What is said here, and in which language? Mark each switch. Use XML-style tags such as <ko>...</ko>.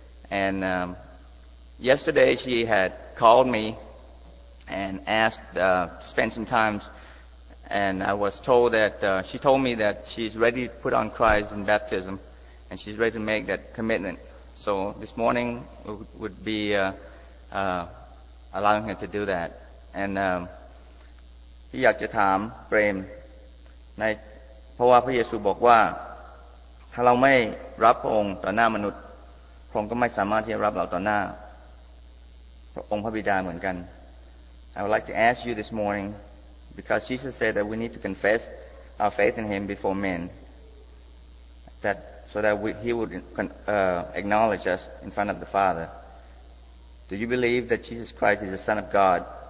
<en>And yesterday she had called me and asked to spend some time. And I was told that she told me that she's ready to put on Christ in baptism, and she's ready to make that commitment. So this morning would be allowing her to do that. And</en> <th>พี่อยากจะถามเปรมในเพราะว่าพระเยซูบอกว่าถ้าเราไม่รับพระองค์ต่อหน้ามนุษย์พระองค์ก็ไม่สามารถที่จะรับเราต่อหน้าพระองค์พระบิดาเหมือนกัน</th> <en>I would like to ask you this morningBecause Jesus said that we need to confess our faith in Him before men, that so that He would acknowledge us in front of the Father. Do you believe that Jesus Christ is the Son of God?</en>